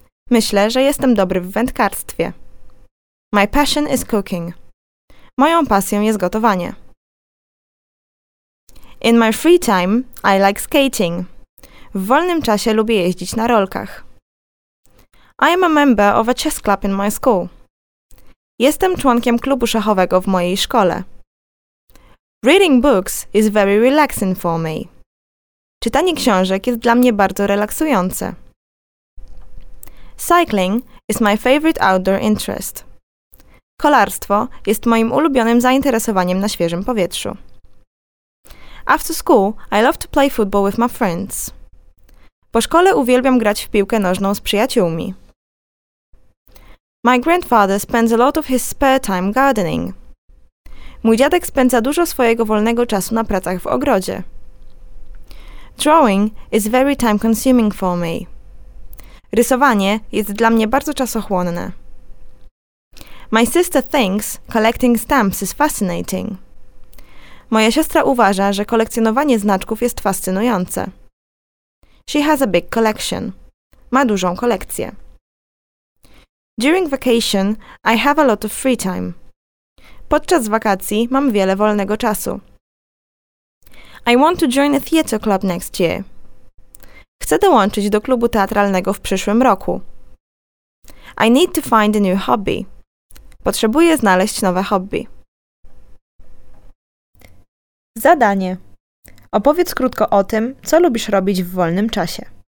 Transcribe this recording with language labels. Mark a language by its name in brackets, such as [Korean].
[Polish] Myślę, że jestem dobry w wędkarstwie. [English] My passion is cooking. [Polish] Moją pasją jest gotowanie. [English] In my free time, I like skating. [Polish] W wolnym czasie lubię jeździć na rolkach. [English] I am a member of a chess club in my school. [Polish] Jestem członkiem klubu szachowego w mojej szkole. [English] Reading books is very relaxing for me. [Polish] Czytanie książek jest dla mnie bardzo relaksujące. [English] Cycling is my favorite outdoor interest. [Polish] Kolarstwo jest moim ulubionym zainteresowaniem na świeżym powietrzu. [English] After school, I love to play football with my friends. [Polish] Po szkole uwielbiam grać w piłkę nożną z przyjaciółmi. [English] My grandfather spends a lot of his spare time gardening. [Polish] Mój dziadek spędza dużo swojego wolnego czasu na pracach w ogrodzie. [English] Drawing is very time-consuming for me. [Polish] Rysowanie jest dla mnie bardzo czasochłonne. [English] My sister thinks collecting stamps is fascinating. [Polish] Moja siostra uważa, że kolekcjonowanie znaczków jest fascynujące. [English] She has a big collection. [Polish] Ma dużą kolekcję. [English] During vacation, I have a lot of free time. [Polish] Podczas wakacji mam wiele wolnego czasu. [English] I want to join a theater club next year. [Polish] Chcę dołączyć do klubu teatralnego w przyszłym roku. [English] I need to find a new hobby. [Polish] Potrzebuję znaleźć nowe hobby. Zadanie. Opowiedz krótko o tym, co lubisz robić w wolnym czasie.